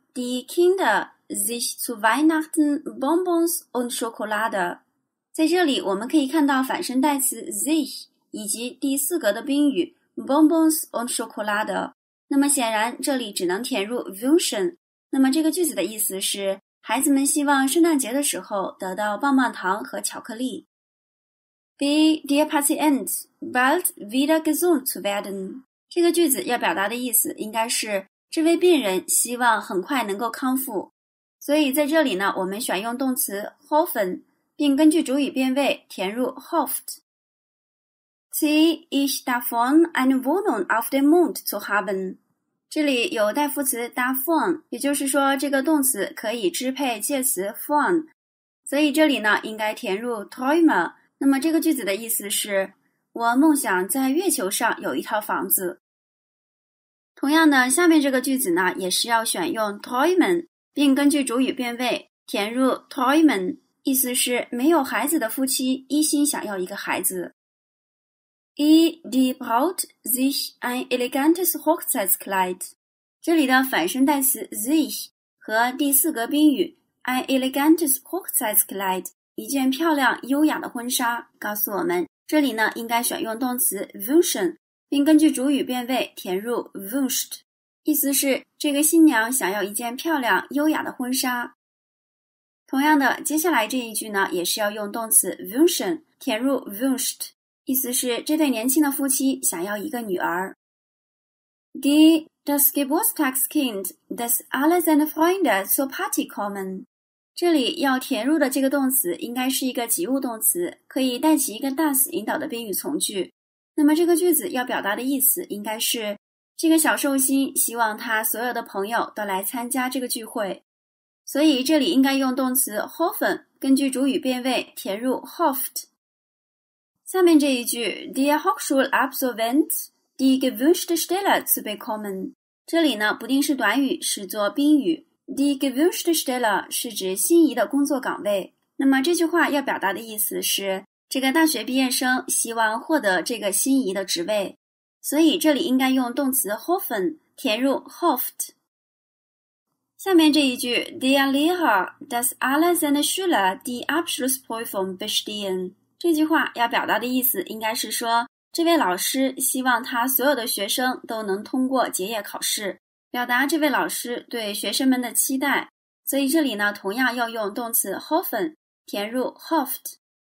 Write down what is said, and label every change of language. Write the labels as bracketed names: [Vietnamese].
[German] Die Kinder sich zu Weihnachten Bonbons und Schokolade. [Chinese] 在这里我们可以看到反身代词 sich 以及第四格的宾语 [German] Bonbons und Schokolade。 [Chinese] 那么显然这里只能填入 wünschen。那么这个句子的意思是孩子们希望圣诞节的时候得到棒棒糖和巧克力。 B. [German] Der Patient bald wieder gesund zu werden. [Chinese] 这个句子要表达的意思应该是这位病人希望很快能够康复。所以在这里呢，我们选用动词 hoffen, 并根据主语变位填入 hofft。 [German] Sie ist davon, eine Wohnung auf dem Mond zu haben. [Chinese] 这里有代副词 davon, 也就是说这个动词可以支配介词 von, 所以这里呢应该填入 träume。那么这个句子的意思是我梦想在月球上有一套房子。同样的，下面这个句子呢也是要选用 träumen, 并根据主语变位填入 träumen, 意思是没有孩子的夫妻一心想要一个孩子。 [German] Ehe die Braut sich ein elegantes Hochzeitskleid. [Chinese] 这里的反身代词 sich 和第四格宾语 [German] ein elegantes Hochzeitskleid, [Chinese] 一件漂亮优雅的婚纱，告诉我们这里呢应该选用动词 wünschen, 并根据主语变位填入 wünscht, 意思是这个新娘想要一件漂亮优雅的婚纱。同样的，接下来这一句呢也是要用动词 wünschen, 填入 wünscht,意思是这对年轻的夫妻想要一个女儿。 [German] Die das Geburtstagskind, das alle seine Freunde zur Party kommen. [Chinese] 这里要填入的这个动词应该是一个及物动词，可以带起一个 das 引导的宾语从句。那么这个句子要表达的意思应该是这个小寿星希望他所有的朋友都来参加这个聚会。所以这里应该用动词 hoffen, 根据主语变位填入 hofft。下面这一句 [German] Der Hochschulabsolvent die gewünschte Stelle zu bekommen. [Chinese] 这里呢不定式短语是做宾语。 [German] Die gewünschte Stelle [Chinese] 是指心仪的工作岗位。那么这句话要表达的意思是这个大学毕业生希望获得这个心仪的职位。所以这里应该用动词 hoffen, 填入 hofft。下面这一句 [German] Der Lehrer, dass alle seine Schüler die Abschlussprüfung bestehen. [Chinese] 这句话要表达的意思应该是说这位老师希望他所有的学生都能通过结业考试，表达这位老师对学生们的期待。所以这里呢同样要用动词 hoffen, 填入 hofft。